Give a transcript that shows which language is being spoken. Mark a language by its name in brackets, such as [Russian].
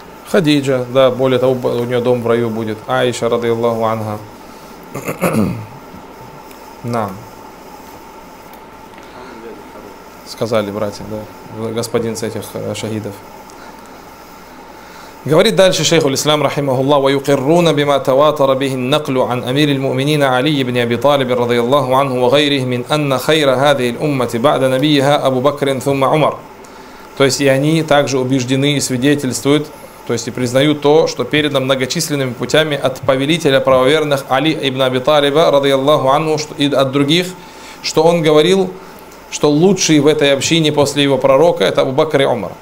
[Russian] Хадиджа. Да, более того, у нее дом в раю будет. Аиша радиаллаху анха. На. Сказали братья, да. Господин с этих шахидов. Говорит дальше шейх аль-Ислам, рахимахуллах, [Arabic] وَيُقِرُّونَ بِمَا تَوَاتَرَ بِهِ النَّقْلُ عَنْ أَمِيرِ الْمُؤْمِنِينَ عَلِيِّ بْنِ أَبِي طَالِبٍ رَضِيَ اللَّهُ عَنْهُ وَغَيْرِهِ مِنْ أَنَّ خَيْرَ هَذِهِ الْأُمَّةِ بَعْدَ نَبِيِّهَا أَبُو بَكْرٍ ثُمَّ عُمَرٍ. [Russian] То есть и они также убеждены и свидетельствуют, то есть и признают то, что передано многочисленными путями от повелителя правоверных Али ибн Аби Талиба, [Arabic] رَضِيَ اللَّهُ عَنْهُ, [Russian] и от других, что он говорил, что лучшие в этой общине после его пророка – это Абу Бакр и Умар.